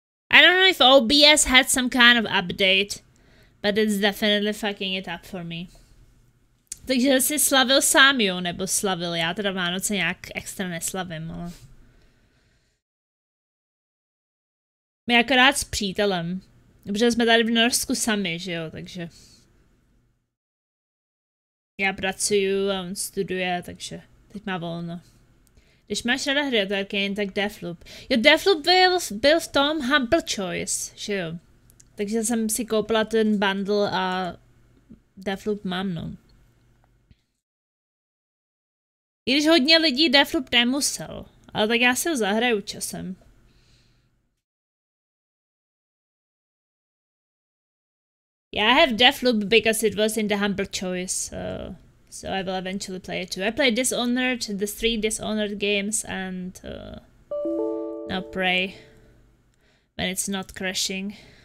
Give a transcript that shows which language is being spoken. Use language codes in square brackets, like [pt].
[en] I don't know if OBS had some kind of update. But it's definitely fucking it up for me. [cs] Takže jsi slavil sám, jo, nebo slavil. Já teda Vánoce nějak extra neslavím, ale... My akorát s přítelem. Protože jsme tady v Norsku sami, že jo, takže... Já pracuju a on studuje, takže teď má volno. Když máš rada hry, to je jen tak Deathloop. Jo, Deathloop byl v tom Humble Choice, že jo. Takže jsem si koupila ten bundle a Deathloop mám, no. I když hodně lidí Deathloop nemusel, ale tak já si ho zahraju časem. [en] Yeah, I have Deathloop because it was in the humble choice, so I will eventually play it too. I played Dishonored, the three Dishonored games, and now Prey, when it's not crashing.